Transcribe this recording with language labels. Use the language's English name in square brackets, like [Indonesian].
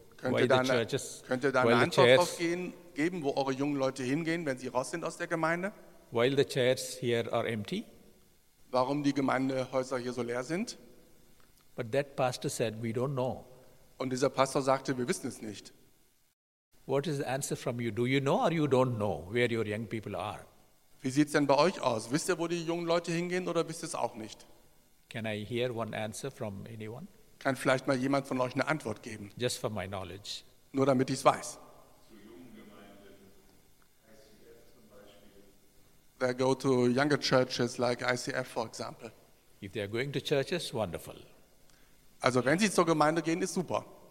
[German] Könnt ihr da eine Antwort drauf geben, wo eure jungen Leute hingehen, wenn sie raus sind aus der Gemeinde? [English] While the chairs here are empty? [German] Warum die Gemeindehäuser hier so leer sind? [English] But that pastor said, we don't know. [German] Und dieser Pastor sagte, wir wissen es nicht. [English] What is the answer from you? Do you know or you don't know where your young people are? [German] Wie sieht es denn bei euch aus? Wisst ihr, wo die jungen Leute hingehen oder wisst ihr es auch nicht? [English] Can I hear one answer from anyone? [German] Kann vielleicht mal jemand von euch eine Antwort geben? [English] Just for my knowledge. [German] Nur damit ich es weiß. [English] They go to younger churches like ICF, for example. If they are going to churches, wonderful. [German] Also wenn sie zur Gemeinde gehen, ist super.